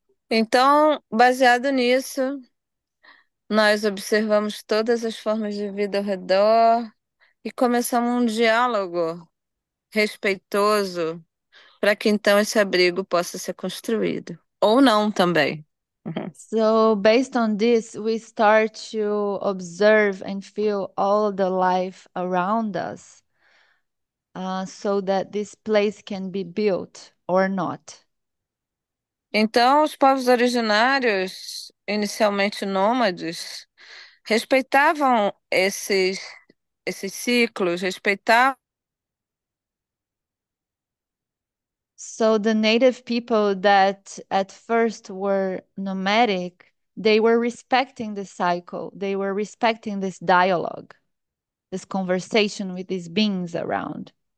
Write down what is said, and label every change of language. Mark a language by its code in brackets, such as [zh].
[pt] Então, baseado nisso, nós observamos todas as formas de vida ao redor e começamos um diálogo respeitoso para que então esse abrigo possa ser construído. Ou não também. [en] So, based on this, we start to observe and feel all the life around us, so that this place can be built or not. [pt] Então, os povos originários, inicialmente nômades, respeitavam esses ciclos, respeitavam. [en] So the native people that at first were nomadic, they were respecting the cycle. They were respecting this dialogue, this conversation with these beings around.